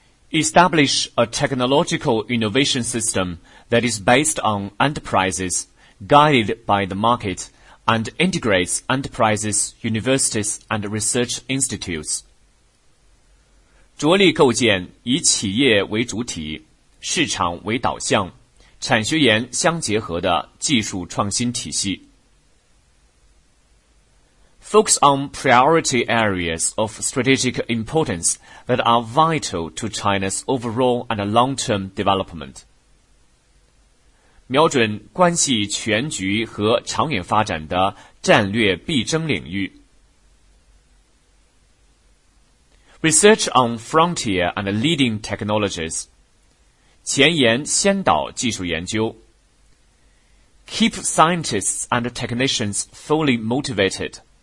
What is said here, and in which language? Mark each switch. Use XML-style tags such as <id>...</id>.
<en>Establish a technological innovation system that is based on enterprises, guided by the market, and integrates enterprises, universities, and research institutes.</en> <zh>着力构建以企业为主体、市场为导向、产学研相结合的技术创新体系。</zh> <en>Focus on priority areas of strategic importance that are vital to China's overall and long-term development.</en> <zh>瞄准关系全局和长远发展的战略必争领域。</zh> <en>Research on frontier and leading technologies.</en> <zh>前沿先导技术研究。</zh> <en>Keep scientists and technicians fully motivated.</en>